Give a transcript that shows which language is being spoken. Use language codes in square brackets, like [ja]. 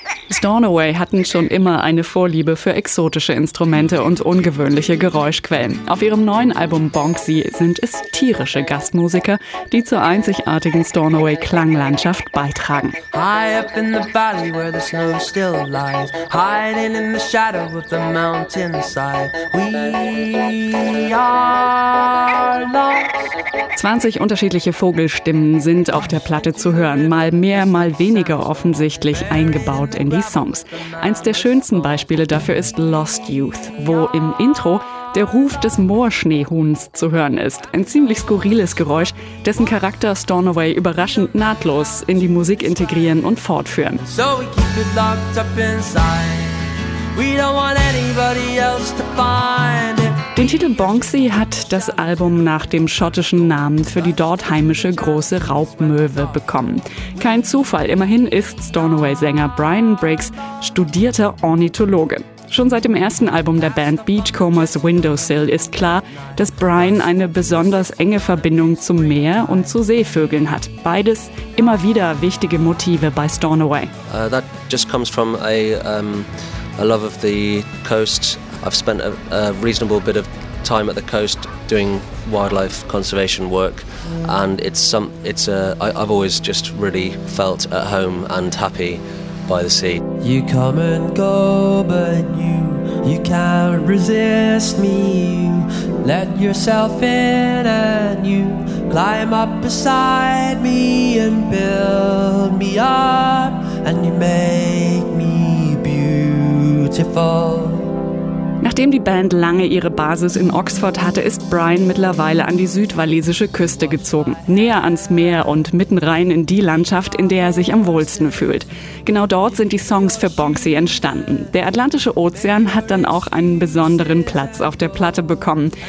[de] Stornoway hatten schon immer eine Vorliebe für exotische Instrumente und ungewöhnliche Geräuschquellen. Auf ihrem neuen Album Bonksy sind es tierische Gastmusiker, die zur einzigartigen Stornoway-Klanglandschaft beitragen. [en] High up in the valley where the snow still lies, hiding in the shadow of the mountainside, we are lost. [de] 20 unterschiedliche Vogelstimmen sind auf der Platte zu hören, mal mehr, mal weniger offensichtlich eingebaut in die Songs. Eins der schönsten Beispiele dafür ist Lost Youth, wo im Intro der Ruf des Moorschneehuhns zu hören ist. Ein ziemlich skurriles Geräusch, dessen Charakter Stornoway überraschend nahtlos in die Musik integrieren und fortführen. [en] So we keep it locked up inside. We don't want anybody else to find. [de] Den Titel Bonksy hat das Album nach dem schottischen Namen für die dort heimische große Raubmöwe bekommen. Kein Zufall, immerhin ist Stornoway-Sänger Brian Briggs studierter Ornithologe. Schon seit dem ersten Album der Band Beachcombers Windowsill ist klar, dass Brian eine besonders enge Verbindung zum Meer und zu Seevögeln hat. Beides immer wieder wichtige Motive bei Stornoway. [en] That just comes from a love of the coast. I've spent a reasonable bit of time at the coast doing wildlife conservation work, and I've always just really felt at home and happy by the sea. You come and go, but you can't resist me. Let yourself in and you climb up beside me and build me up and you make me beautiful. [de] Nachdem die Band lange ihre Basis in Oxford hatte, ist Brian mittlerweile an die südwalisische Küste gezogen. Näher ans Meer und mitten rein in die Landschaft, in der er sich am wohlsten fühlt. Genau dort sind die Songs für Bonksy entstanden. Der Atlantische Ozean hat dann auch einen besonderen Platz auf der Platte bekommen.